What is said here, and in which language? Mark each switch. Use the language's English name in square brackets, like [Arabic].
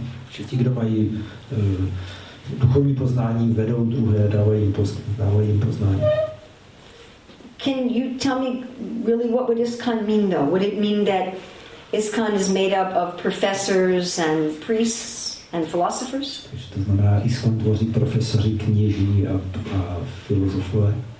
[Czech] Že ti, kdo mají duchovní poznání, vedou druhé, dávají jim poznání. [English] Can you tell me really what would ISKCON mean though? Would it mean that ISKCON is made up of professors and priests and philosophers? [Czech] Takže to znamená, ISKCON tvoří profesoři, kněží a filozofové?